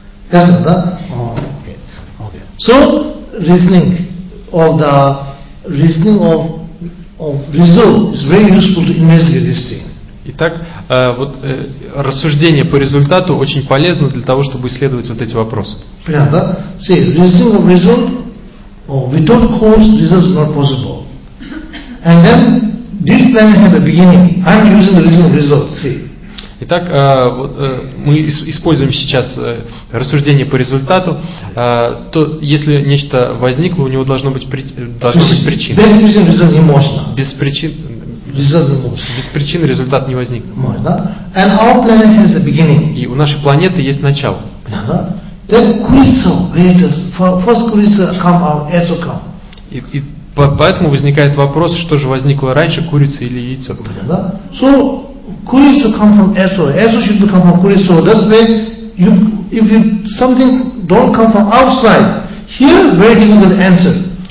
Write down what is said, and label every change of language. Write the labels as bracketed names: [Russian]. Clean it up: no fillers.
[English] Ясно, да? Okay. So reasoning of result is very useful to investigate this thing. [Russian] Итак, вот рассуждение по результату очень полезно для того, чтобы исследовать вот эти вопросы. Понятно, да? [English] See, reasoning of result, without cause, result is not possible. And then this planet has a beginning. I'm using the reasoning of result. See. [Russian] Итак, мы используем сейчас рассуждение по результату. То, если нечто возникло, у него должно быть, быть причина. Без причин результат не можно. Без причин результат не можно. Без причин результат не возник. [English] And our planet has a beginning. [Russian] И у нашей планеты есть начало. [English] Then курица, first курица come out, яйцо come. [Russian] И поэтому возникает вопрос, что же возникло раньше, курица или яйцо? [English] So курица come from Esso. Esso should come from курица. That's why you, if you, something don't come from outside, here very difficult answer.